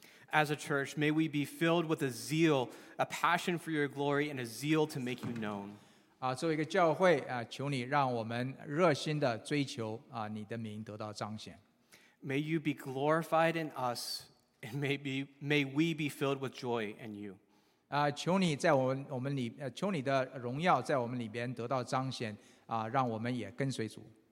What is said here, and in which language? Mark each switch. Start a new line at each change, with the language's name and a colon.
English: As a church, may we be filled with a zeal, a passion for your glory, and a zeal to make you known.
Chinese: 作为一个教会, 求你让我们热心地追求, 你的名得到彰显。
English: May you be glorified in us, and may we be filled with joy in you.
Chinese: 求你在我们里, 求你的荣耀在我们里边得到彰显, 让我们也跟随主。